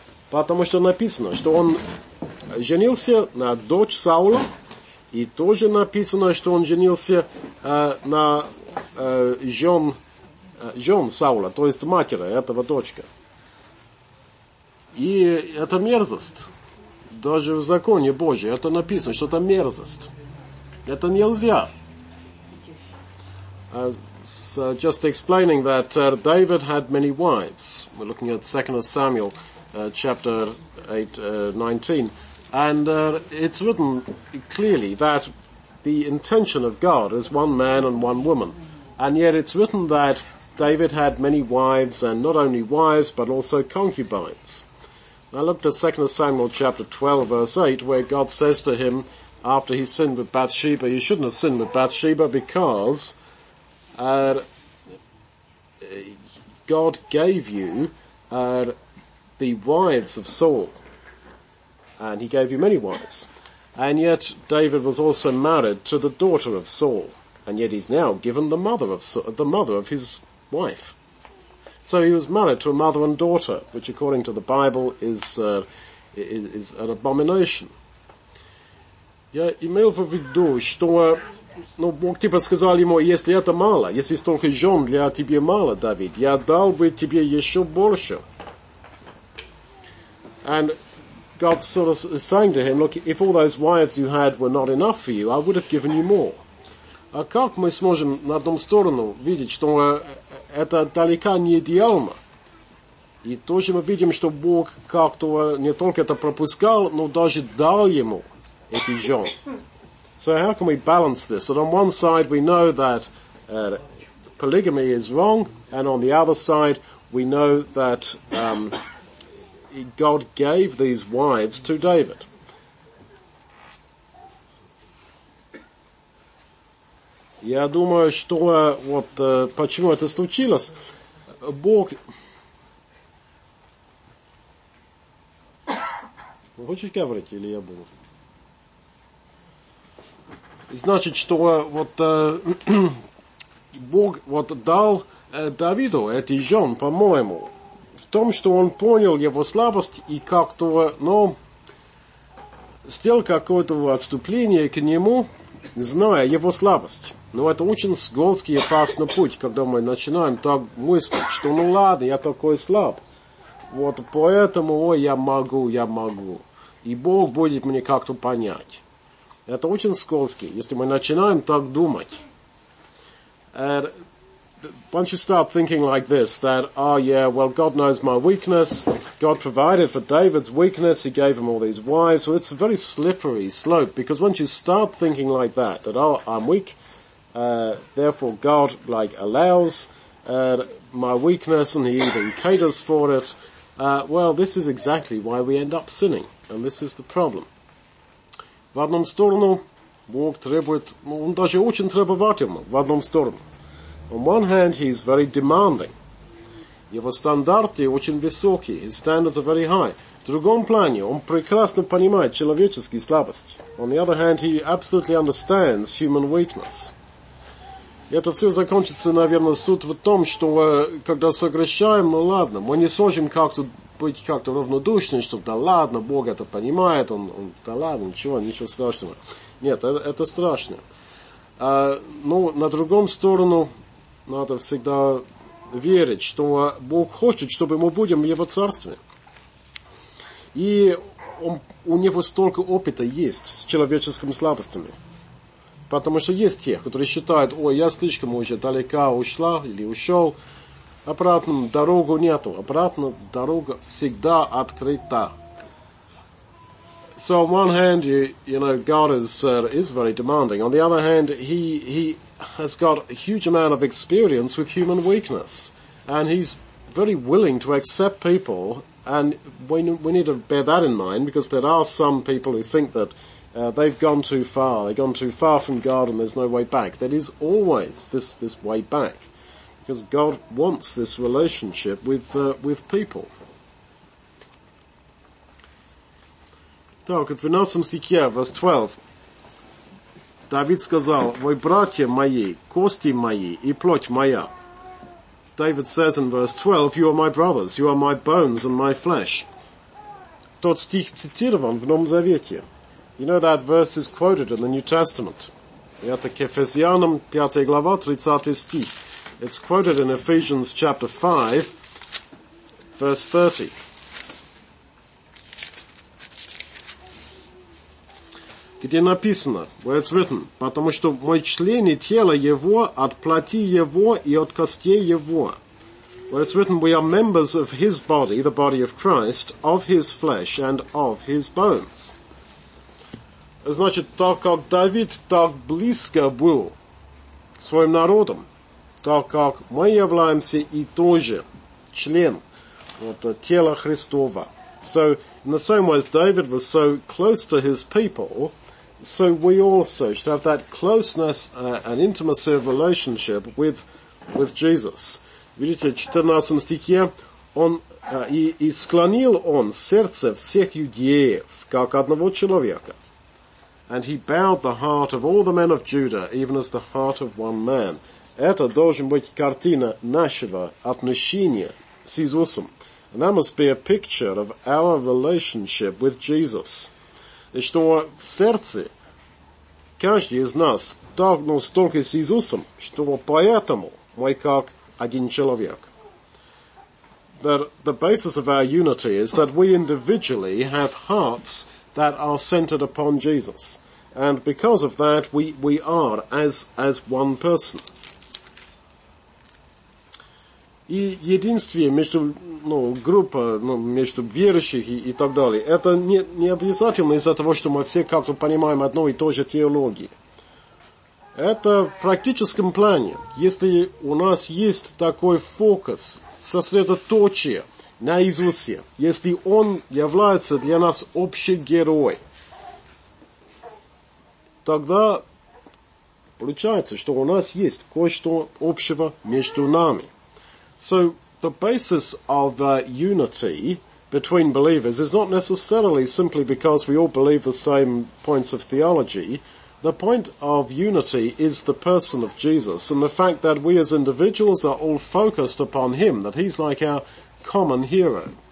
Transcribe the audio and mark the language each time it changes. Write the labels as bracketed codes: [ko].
[ru] Потому что написано, что он женился на дочь Саула, и тоже написано, что он женился на жен Саула, то есть матери этого дочка. И это мерзость. Даже в законе Божьем это написано, что это мерзость. Это нельзя. [en] So just explaining that David had many wives. We're looking at 2 Samuel chapter 8:19. And it's written clearly that the intention of God is one man and one woman. And yet it's written that David had many wives, and not only wives, but also concubines. I looked at 2 Samuel chapter 12, verse 8, where God says to him, after he sinned with Bathsheba, you shouldn't have sinned with Bathsheba, because God gave you the wives of Saul, and he gave you many wives. And yet David was also married to the daughter of Saul, and yet he's now given the mother of his wife. So he was married to a mother and daughter, which according to the Bible is an abomination. [ru] Я имел в виду, что, ну, Бог типа сказал ему, если это мало, если столько жен для тебя мало, Давид, я дал бы тебе еще больше. [en] And God sort of saying to him, look, if all those wives you had were not enough for you, I would have given you more. [ru] А как мы сможем на одном сторону видеть, что это далеко не идеально? И тоже мы видим, что Бог как-то не только это пропускал, но даже дал ему эти жены. [en] So how can we balance this? That on one side we know that polygamy is wrong, and on the other side we know that God gave these wives to David. [ru] Я думаю, что вот почему это случилось. Бог... Хочешь говорить, или я буду? Значит, что вот Бог вот дал Давиду эти жен, по-моему, в том, что он понял его слабость и как-то, ну, сделал какое-то отступление к нему, зная его слабость. Но это очень скользкий и опасный путь, когда мы начинаем так мыслить, что ну ладно, я такой слаб. Вот поэтому, ой, я могу. И Бог будет мне как-то понять. Это очень скользкий, если мы начинаем так думать. [en] Once you start thinking like this, that, oh yeah, well, God knows my weakness. God provided for David's weakness. He gave him all these wives. Well, it's a very slippery slope, because once you start thinking like that, that, oh, I'm weak, therefore God like allows my weakness and he even caters for it, well, this is exactly why we end up sinning, and this is the problem. [ru] В одном сторону Бог требует, он даже очень требовательно, в одном сторону. [en] On one hand, he's very demanding. [ru] Его стандарты очень высокие, [en] his standards are very high. [ru] В другом плане, он прекрасно понимает человеческие слабости. [en] On the other hand, he absolutely understands human weakness. [ru] Это все закончится, наверное, суд в том, что когда согрешаем, ну ладно, мы не сможем как-то быть как-то равнодушны, что да ладно, Бог это понимает, он да ладно, ничего страшного. Нет, это страшно. Но на другом сторону надо всегда верить, что Бог хочет, чтобы мы будем в Его Царстве. И у Него столько опыта есть с человеческими слабостями. Потому что есть те, которые считают, ой, я слишком уже далеко ушла или ушел. Обратно дорогу нету. Обратно дорога всегда открыта. [en] So on one hand, you know, God is very demanding. On the other hand, he has got a huge amount of experience with human weakness. And he's very willing to accept people. And we need to bear that in mind, because there are some people who think that they've gone too far. They've gone too far from God and there's no way back. There is always this way back. Because God wants this relationship with people. [ru] Так, в 12 стихе, [en] verse 12, [ru] Давид сказал, «Вы, братья мои, кости мои и плоть моя». [en] David says in verse 12, «You are my brothers, you are my bones and my flesh». [ru] Тот стих цитирован в Новом Завете. [en] You know that verse is quoted in the New Testament. [ru] Это к Ефесянам, 5 глава, 30 стих. [en] It's quoted in Ephesians chapter 5, verse 30. [ru] Где написано, [en] where it's written, [ru] потому что мы члены тела Его, от плоти Его и от костей Его. [en] Where it's written, we are members of His body, the body of Christ, of His flesh and of His bones. [ru] Значит, так как Давид так близко был своим народом, так как мы являемся и тоже член тела Христова. [en] So, in the same way as David was so close to his people, so we also should have that closeness and intimacy of relationship with Jesus. [ru] Видите, в 14 стихе, «И склонил он сердце всех иудеев, как одного человека». [en] And he bowed the heart of all the men of Judah, even as the heart of one man. [ru] Это должен быть картина нашего отношения с Иисусом. [en] And that must be a picture of our relationship with Jesus. [ru] И что в сердце каждый из нас должен столько с Иисусом, что поэтому мы как один человек. [en] That the basis of our unity is that we individually have hearts that are centered upon Jesus. And because of that, we are as one person. [ru] И единствие между между верующих и так далее, это не обязательно из-за того, что мы все как-то понимаем одну и ту же теологию. Это в практическом плане. Если у нас есть такой фокус, сосредоточие на Иисусе, если Он является для нас общим героем, тогда получается, что у нас есть кое-что общего между нами. [en] So, the basis of unity between believers is not necessarily simply because we all believe the same points of theology. The point of unity is the person of Jesus and the fact that we as individuals are all focused upon Him, that He's like our common hero.